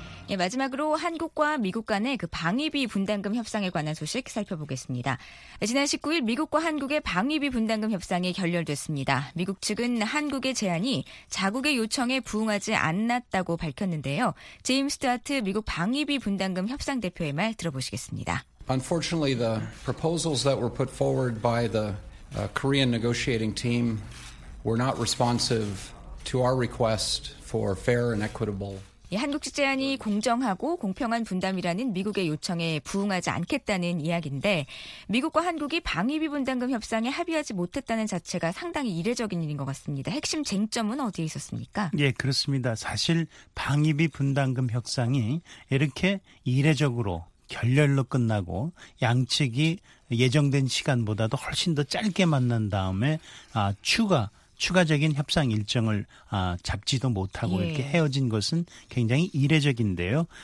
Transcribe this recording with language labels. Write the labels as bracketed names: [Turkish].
[Korean] 예, 마지막으로 한국과 미국 간의 그 방위비 분담금 협상에 관한 소식 살펴보겠습니다. 지난 19일 미국과 한국의 방위비 분담금 협상이 결렬됐습니다. 미국 측은 한국의 제안이 자국의 요청에 부응하지 않았다고 밝혔는데요. 제임스 스튜어트 미국 방위비 분담금 협상 대표의 말 들어보시겠습니다. [English] Unfortunately, the proposals that were put forward by the Korean negotiating team were not responsive to our request for fair and equitable. [Korean] 한국식 제안이 공정하고 공평한 분담이라는 미국의 요청에 부응하지 않겠다는 이야기인데 미국과 한국이 방위비 분담금 협상에 합의하지 못했다는 자체가 상당히 이례적인 일인 것 같습니다. 핵심 쟁점은 어디에 있었습니까? 예, 그렇습니다. 사실 방위비 분담금 협상이 이렇게 이례적으로 결렬로 끝나고 양측이 예정된 시간보다도 훨씬 더 짧게 만난 다음에 추가적인 협상 일정을 잡지도 못하고 예. 이렇게 헤어진 것은 굉장히 이례적인데요.